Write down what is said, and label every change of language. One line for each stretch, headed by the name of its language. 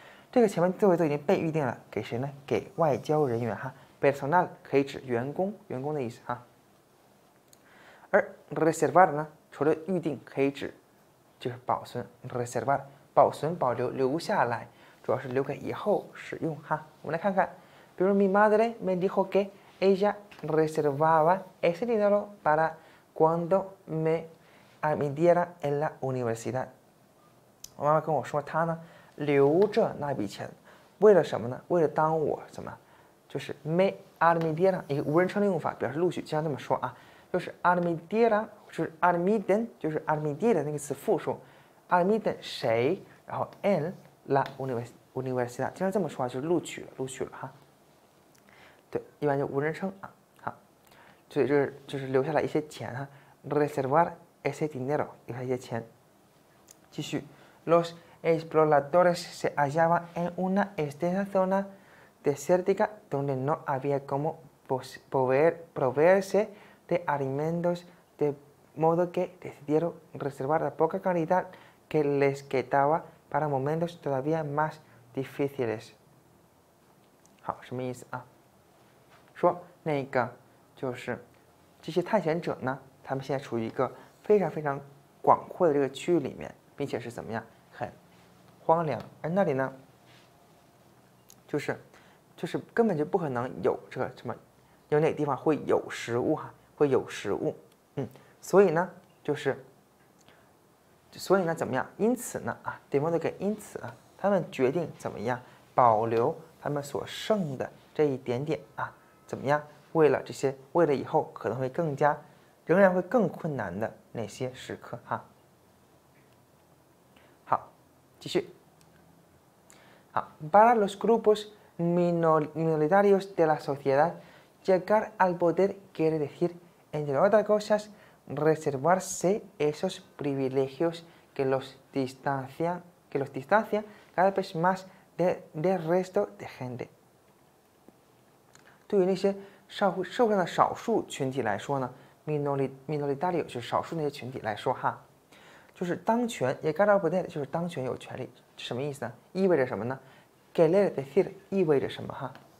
Chinese: 这个前面座位都已经被预定了，给谁呢？给外交人员哈。 Personal 可以指员工，员工的意思哈。而 reservar 呢，除了预定，可以指就是保存 ，reservar 保存、保留、留下来，主要是留给以后使用哈。我们来看看。
Spanish: Pero mi madre me dijo que ella reservaba ese dinero para cuando me admitiera en la universidad.
Chinese: 我妈妈跟我说，她呢留着那笔钱，为了什么呢？为了当我什么？就是
Spanish: me admitiera
Chinese: 一个无人称的用法，表示录取，经常这么说啊。就是 admitiera 就是 admiten 就是 admitiera 那个词复数 ，admiten 谁？然后
Spanish: en la universidad
Chinese: 经常这么说啊，就是录取了，录取了哈。对，一般就无人称啊，好，所以就是留下来一些钱哈 ，
Spanish: reservar ese dinero，
Chinese: 留下一些钱。继续
Spanish: ，los exploradores se hallaban en una extensa zona desértica donde no había cómo proveerse de alimentos de modo que decidieron reservar la poca cantidad que les quedaba para momentos todavía más difíciles。
Chinese: 好，什么意思啊？说那个就是这些探险者呢，他们现在处于一个非常非常广阔的这个区域里面，并且是怎么样，很荒凉，而那里呢就是根本就不可能有这个什么，有哪个地方会有食物哈，会有食物，所以呢怎么样，因此呢啊，得莫得给，因此啊，他们决定怎么样保留他们所剩的这一点点啊，怎么样？为了这些，为了以后可能会更加，仍然会更困难的那些时刻哈。好，继续。好
Spanish: ，para los grupos minoritarios de la sociedad, llegar al poder quiere decir, entre otras cosas, reservarse esos privilegios que los distancia cada vez más del resto de gente。
Chinese: 对于那些社会上的少数群体来说呢 ，minoritario 就是少数那些群体来说哈，就是当权也
English: get up there
Chinese: 就是当权有权利，什么意思呢？意味着什么呢 ？
Spanish: querer decir
Chinese: 意味着什么哈？